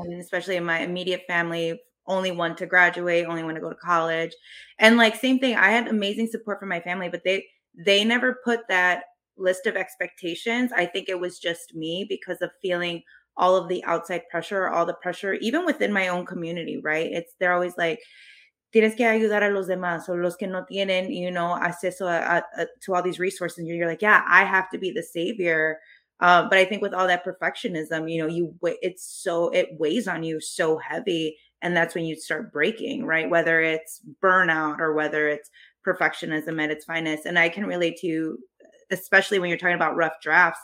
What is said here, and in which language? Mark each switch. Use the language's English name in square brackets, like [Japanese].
[English] Especially in my immediate family, only one to graduate, only one to go to college. And like, same thing, I had amazing support from my family, but they never put that list of expectations. I think it was just me, because of feeling all of the outside pressure, all the pressure, even within my own community, right? They're always like, [Spanish] tienes que ayudar a los demás, o los que no tienen, [English] you know, [Spanish] acceso [English] to all these resources. And you're like, yeah, I have to be the savior. But I think with all that perfectionism, you know, it weighs on you so heavy. And that's when you start breaking, right? Whether it's burnout or whether it's perfectionism at its finest. And I can relate to you, especially when you're talking about rough drafts.